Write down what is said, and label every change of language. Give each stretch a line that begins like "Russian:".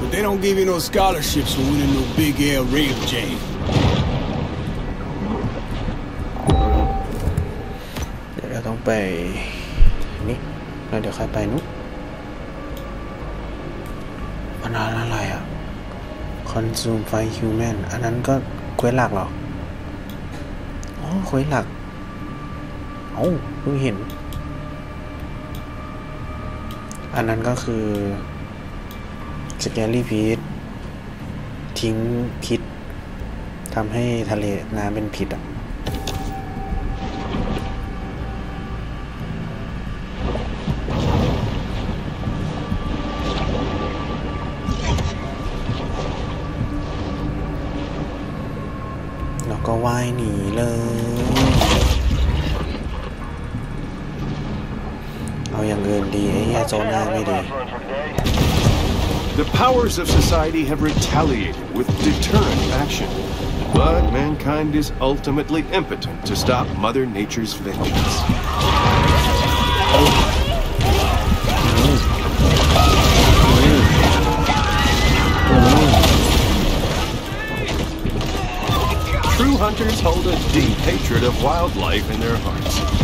English: don't give you no scholarships for winning no big air rail jam.
Thai: เราต้องไปนี่เราเดี๋ยวค่อยไปนู้นมันอะไรอ่ะ
English: consume five human
Thai: อันนั้นก็เควสหลักหรออ๋อเควสหลักเอ้าเพิ่งเห็น อันนั้นก็คือสแกลลี่พีททิ้งพิษทำให้ทะเลน้ำเป็นพิษอ่ะ ว่ายหนีเลยเอาอย่างอื่นดีไอ้ยาโซน่าไม่ดี
English: The powers of society have retaliated with deterrent action but mankind is ultimately impotent to stop mother nature's vengeance Hunters hold a deep hatred of wildlife in their hearts.